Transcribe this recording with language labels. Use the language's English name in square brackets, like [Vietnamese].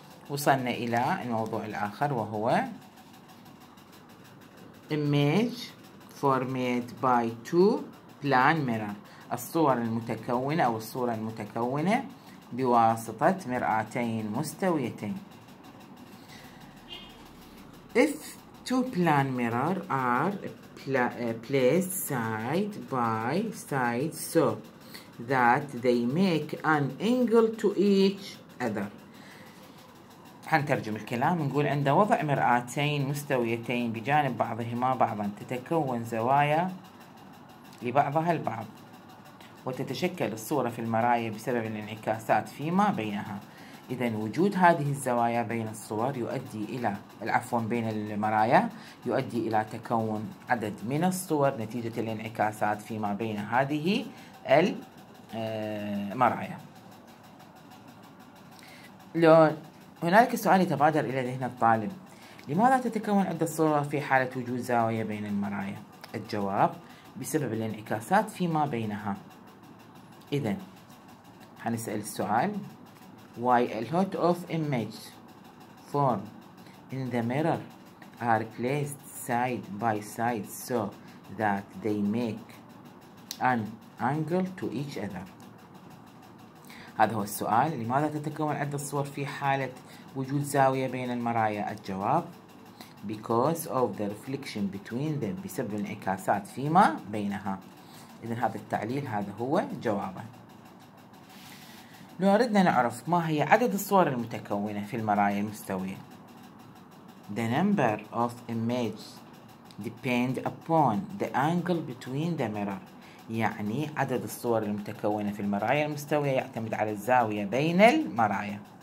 [Arabic] وصلنا إلى الموضوع الآخر وهو [English] image formed by two plan mirror، [Arabic] الصور المتكونة أو الصورة المتكونة بواسطة مرآتين مستويتين. [English] If two plan mirror are placed side by side so that they make an angle to each other. [Arabic] حنترجم الكلام، نقول عند وضع مرآتين مستويتين بجانب بعضهما بعضا تتكون زوايا لبعضها البعض وتتشكل الصورة في المرايا بسبب الانعكاسات فيما بينها. إذا وجود هذه الزوايا بين الصور يؤدي إلى بين المرايا يؤدي إلى تكون عدد من الصور نتيجة الانعكاسات فيما بين هذه المرايا. لو هنالك سؤال يتبادر إلى ذهن الطالب، لماذا تتكون عدة صور في حالة وجود زاوية بين المرايا؟ الجواب بسبب الانعكاسات فيما بينها. إذا هنسأل السؤال [English] why a lot of images form in the mirror are placed side by side so that they make an angle to each other. [Arabic] هذا هو السؤال، لماذا تتكون عدة صور في حالة وجود زاوية بين المرايا؟ الجواب [English] because of the reflection between them، [Arabic] بسبب الانعكاسات فيما بينها. إذن هذا التعليل، هذا هو جوابه. لو أردنا نعرف ما هي عدد الصور المتكونة في المرايا المستوية، [English] the number of images depend upon the angle between the mirror، [Arabic] يعني عدد الصور المتكونة في المرايا المستوية يعتمد على الزاوية بين المرايا.